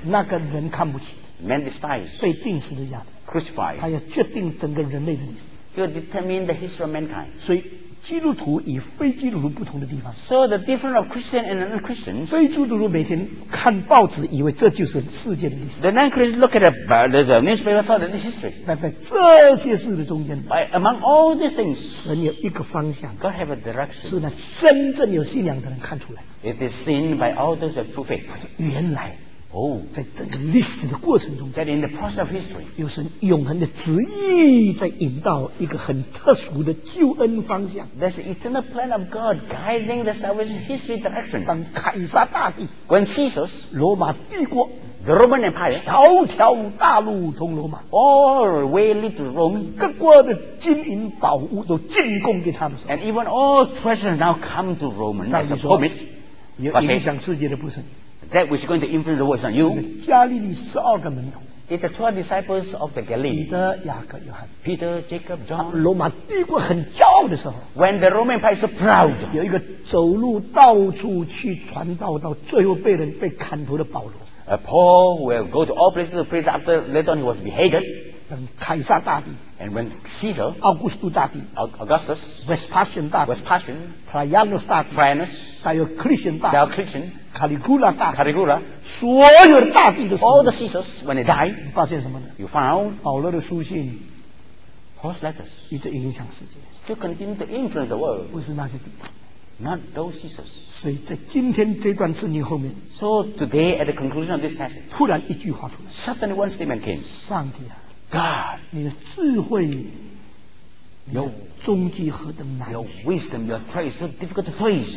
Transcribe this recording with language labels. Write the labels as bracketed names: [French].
[Chinese] 那个人看不起 [English] ，Man despised， [Chinese] 被钉十字架 [English] ，Crucified， [Chinese] 他要决定整个人类的历史 [English] ，He'll determine the history of mankind。 [Chinese] 所以基督徒与非基督徒不同的地方。 [English] So the difference of Christian and non-Christian. [Chinese] 非基督徒每天看报纸，以为这就是世界的历史。 [English] The non-Christian look at the newspaper, thought that this history. [Chinese] 在这些事的中间。 [English] By among all these things, [Chinese] 神有一个方向。 [English] God have a direction. [Chinese] 是那真正有信仰的人看出来。 [English] It is seen by all those who have true faith. [Chinese] 原来。 [English] Oh, [Chinese] 在整个历史的过程中 [English] that in the process of history, [Chinese] 有神永恒的旨意在引导一个很特殊的救恩方向 [English] There's an eternal plan of God guiding the salvation history direction [Chinese] 当凯撒大帝 [English] When Caesar's [Chinese] 罗马帝国 [English] The Roman Empire [Chinese] 条条大路通罗马 [English] All the way lead to Rome [Chinese] 各国的金银宝物都进贡给他们 [English] And even all treasures now come to Rome [Chinese] 上帝说有影响世界的不是你 [English] That which is going to influence the words on you. [Chinese] 加利利十二个门徒 [English] It's the 12 disciples of the Galilee. [Chinese] 彼得、雅各、约翰 [English] Peter, Jacob, John. [Chinese] 罗马帝国很骄傲的时候 [English] When the Roman Empire is so proud. [Chinese] 有一个走路到处去传道到最后被人被砍头的保罗 [English] A Paul will go to all places to preach after later on he was beheaded. [Chinese] 等凯撒大帝 [English] And when Caesar. [Chinese] 奥古斯都大帝 [English] Augustus. [Chinese] Vespasian 大帝 [English] Vespasian. [Chinese] Trajanus 大帝 [English] Trajanus. [Chinese] Diocletian 大帝 [English] Diocletian. [Chinese] Caligula 大帝 [English] Caligula [Chinese] 所有的大帝的时候 [English] All the Caesars when they died [Chinese] 你发现什么呢 [English] You found [Chinese] 保罗的书信 [English] Paul's letters [Chinese] 一直影响世界 [English] Still continue to influence the world [Chinese] 不是那些地方 [English] Not those Caesars [Chinese] 所以在今天这段圣经后面 [English] So today at the conclusion of this passage [Chinese] 突然一句话出来 [English] Suddenly one statement came [Chinese] 上帝啊 [English] God [Chinese] 你的智慧 [English] Your, [Chinese] 终极何等难 [English] Your wisdom Your trait is so difficult to face